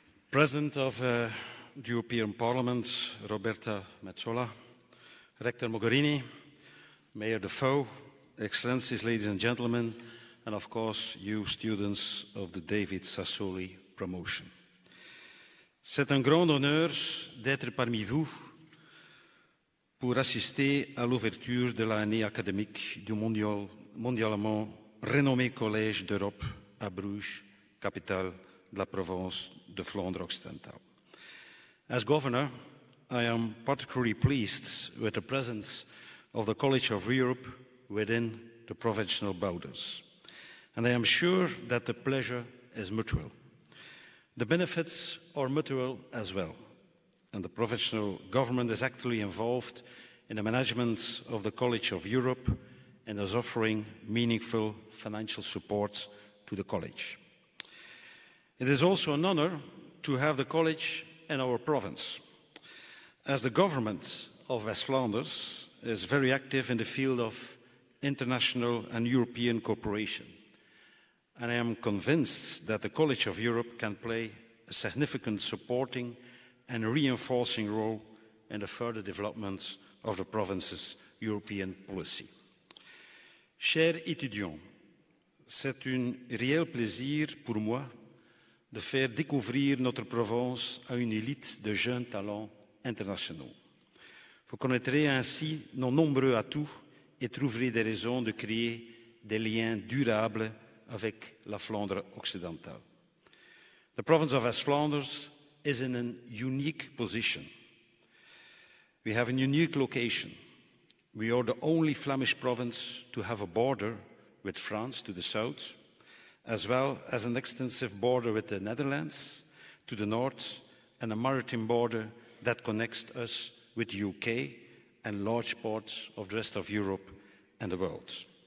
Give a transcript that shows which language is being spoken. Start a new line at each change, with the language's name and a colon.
English: President of the European Parliament, Roberta Metsola, Rector Mogherini, Mayor De Faux, Excellencies, ladies and gentlemen, and of course, you students of the David Sassoli promotion.
French: C'est un grand honneur d'être parmi vous pour assister à l'ouverture de l'année académique du mondialement renommé Collège d'Europe à Bruges, capitale de la Province de Flandre Occidentale.
English: As governor, I am particularly pleased with the presence of the College of Europe within the provincial borders. And I am sure that the pleasure is mutual. The benefits are mutual as well. And the provincial government is actively involved in the management of the College of Europe and is offering meaningful financial support to the college. It is also an honor to have the college in our province. As the government of West Flanders is very active in the field of international and European cooperation, and I am convinced that the College of Europe can play a significant supporting and reinforcing role in the further development of the province's European policy.
French: Chers étudiants, c'est un réel plaisir pour moi de faire découvrir notre province à une élite de jeunes talents internationaux. Vous connaîtrez ainsi nos nombreux atouts et trouverez des raisons de créer des liens durables avec la Flandre occidentale.
English: The province of West Flanders is in a unique position. We have a unique location. We are the only Flemish province to have a border with France to the south, as well as an extensive border with the Netherlands to the north and a maritime border that connects us with the UK and large parts of the rest of Europe and the world.